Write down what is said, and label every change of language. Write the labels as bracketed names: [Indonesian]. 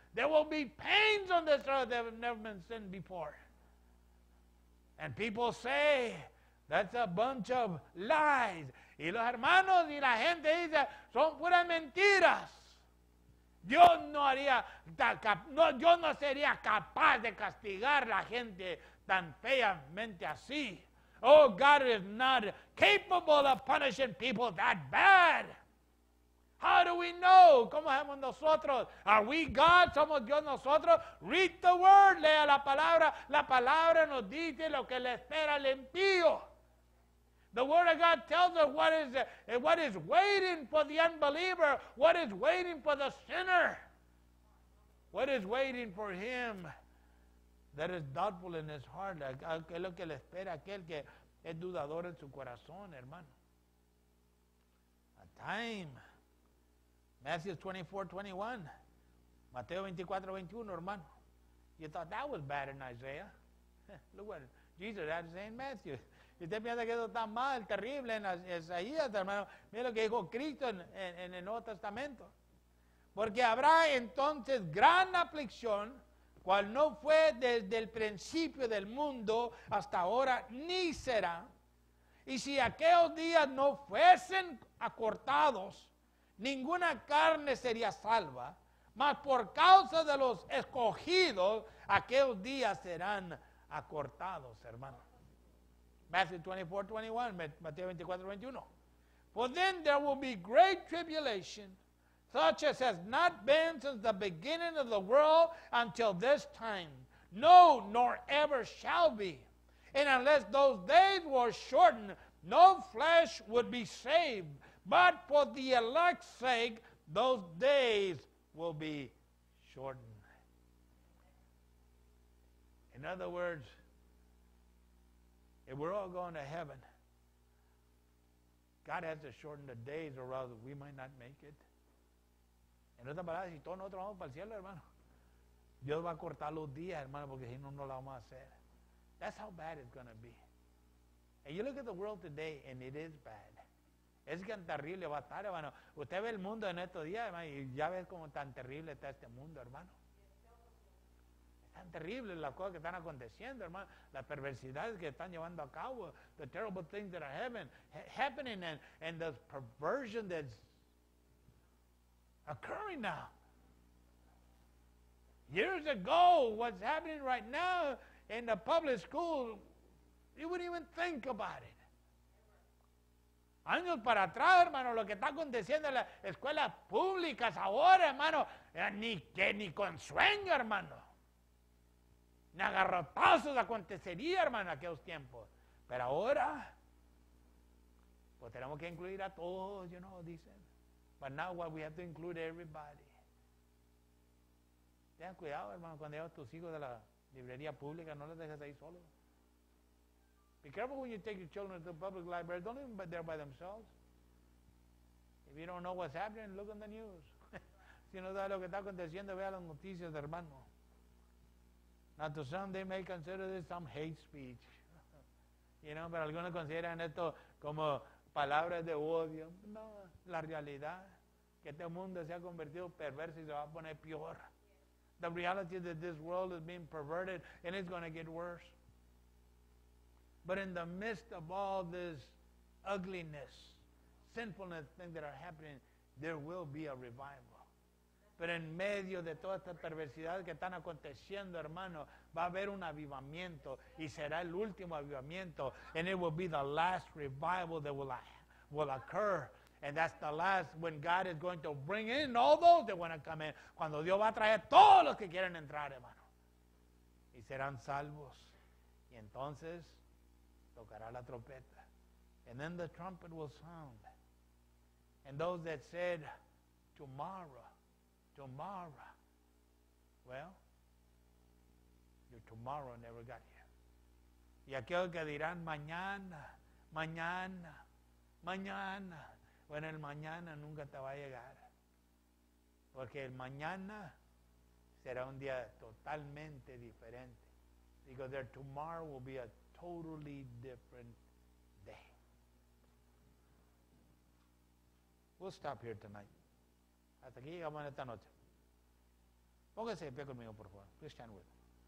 [English] There will be pains on this earth that have never been seen before. And people say, that's a bunch of lies. [Spanish] Y los hermanos y la gente dice, son puras mentiras. Dios no sería capaz de castigar a la gente tan feamente así. [English] Oh, God is not capable of punishing people that bad. How do we know? [Spanish] ¿Cómo somos nosotros? [English] Are we God? [Spanish] ¿Somos Dios nosotros? [English] Read the word, [Spanish] lea la palabra. La palabra nos dice lo que le espera al impío. [English] The word of God tells us what is waiting for the unbeliever, what is waiting for the sinner, what is waiting for him that is doubtful in his heart, [Spanish] que es lo que le espera aquel que es dudador en su corazón, hermano. [English] A time. Matthew 24:21. [Spanish] Mateo 24:21, hermano. [English] You thought that was bad in Isaiah. Look what Jesus had to say in Matthew. [Spanish] Y usted piensa que eso está mal, terrible en Isaías, hermano. Mira lo que dijo Cristo en el Nuevo Testamento. Porque habrá entonces gran aflicción, cual no fue desde el principio del mundo hasta ahora, ni será. Y si aquellos días no fuesen acortados, ninguna carne sería salva, mas por causa de los escogidos, aquellos días serán acortados, hermano. [English] Matthew 24:21. For then there will be great tribulation, such as has not been since the beginning of the world until this time, no, nor ever shall be. And unless those days were shortened, no flesh would be saved. But for the elect's sake, those days will be shortened. In other words, if we're all going to heaven, God has to shorten the days or else we might not make it. [Spanish] En otras palabras, si todos nosotros vamos para el cielo, hermano, Dios va a cortar los días, hermano, porque si no, no lo vamos a hacer. [English] That's how bad it's going to be. And you look at the world today, and it is bad. [Spanish] Es tan terrible, va a estar, hermano. Usted ve el mundo en estos días, hermano, y ya ves cómo tan terrible está este mundo, hermano. Tan terrible las cosas que están aconteciendo, hermano. Las perversidades que están llevando a cabo. [English] The terrible things that are happening and the perversion that's occurring now. Years ago, what's happening right now in the public school, you wouldn't even think about it. [Spanish] Años para atrás, hermano, lo que está aconteciendo en las escuelas públicas ahora, hermano, ni con sueño, hermano. Ni agarrotazos acontecería, hermano, en aquellos tiempos. Pero ahora, pues tenemos que incluir a todos, [English] you know, [Spanish] dicen. [English] But now what, we have to include everybody. [Spanish] Tengan cuidado, hermano, cuando llevas tus hijos de la librería pública, no los dejes ahí solos. [English] Be careful when you take your children to the public library. Don't leave them there by themselves. If you don't know what's happening, look on the news. [Spanish] Si no sabes lo que está aconteciendo, vea las noticias, hermano. [English] Now to some, they may consider this some hate speech. You know, [Spanish] pero algunos consideran esto como palabras de odio. No, la realidad que este mundo se ha convertido perverso y se va a poner peor. [English] The reality that this world is being perverted and it's going to get worse. But in the midst of all this ugliness, sinfulness, things that are happening, there will be a revival. [Spanish] Pero en medio de toda esta perversidad que están aconteciendo, hermano, va a haber un avivamiento y será el último avivamiento. [English] And it will be the last revival that will occur. And that's the last when God is going to bring in all those that want to come in. [Spanish] Cuando Dios va a traer todos los que quieren entrar, hermano. Y serán salvos. Y entonces tocará la trompeta. [English] And then the trumpet will sound. And those that said, tomorrow, well, your tomorrow never got here. [Spanish] Y aquellos que dirán mañana, bueno, el mañana nunca te va a llegar. Porque el mañana será un día totalmente diferente. [English] Because their tomorrow will be a totally different day. We'll stop here tonight. [Spanish] Hasta aquí llegamos en esta noche. Póngase de pie conmigo, por favor. [English] Please stand with me.